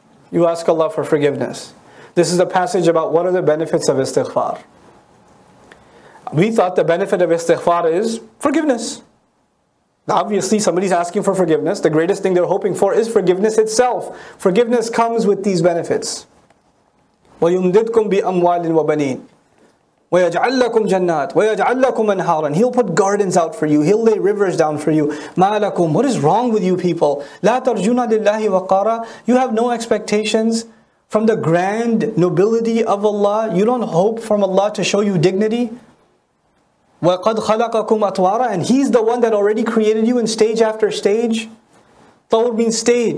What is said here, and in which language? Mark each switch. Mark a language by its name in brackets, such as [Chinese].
[English] You ask Allah for forgiveness. This is a passage about what are the benefits of istighfar. We thought the benefit of istighfar is forgiveness. Obviously, somebody's asking for forgiveness. The greatest thing they're hoping for is forgiveness itself. Forgiveness comes with these benefits. [Arabic] وَيُمْدِدْكُمْ بِأَمْوَالٍ وَبَنِينَ وَيَجْعَلْ لَكُمْ جَنَّاتٍ وَيَجْعَلْ لَكُمْ أَنْهَارًا [English] He'll put gardens out for you. He'll lay rivers down for you. [Arabic] مَا لَكُمْ [English] What is wrong with you people? [Arabic] لَا تَرْجُونَ لِلَّهِ وَقَارًا [English] You have no expectations from the grand nobility of Allah. You don't hope from Allah to show you dignity. [Arabic] وَقَدْ خَلَقَكُمْ أَطْوَارًا [English] And He's the one that already created you in stage after stage. طَوْر means stage.